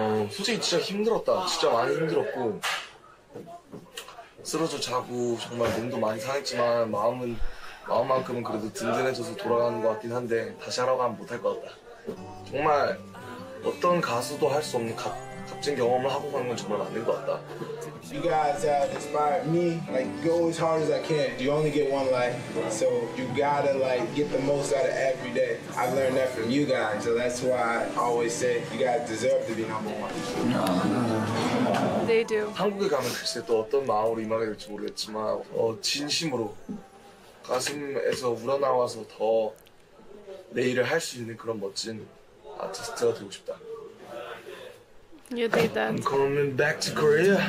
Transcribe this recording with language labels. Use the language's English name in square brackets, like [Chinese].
[Korean] 솔직히 진짜 힘들었다. 진짜 많이 힘들었고 쓰러져 자고 정말 몸도 많이 상했지만 마음만큼은 그래도 든든해져서 돌아가는 것 같긴 한데 다시 하라고 하면 못할 것 같다. 정말 어떤 가수도 할 수 없는 값진 경험을 하고 가는 건 정말 맞는 것 같다. [English] You guys have inspired me. Like, go as hard as I can. You only get one life. So you gotta, like, get the most out of every day. I've learned that from you guys. So that's why I always say you guys deserve to be number one. They do. [Korean] 한국에 가면 글쎄 또 어떤 마음으로 임하게 될지 모르겠지만 진심으로 가슴에서 우러나와서 더 내 일을 할 수 있는 그런 멋진 아티스트가 되고 싶다. [English] You did that. I'm coming back to Korea.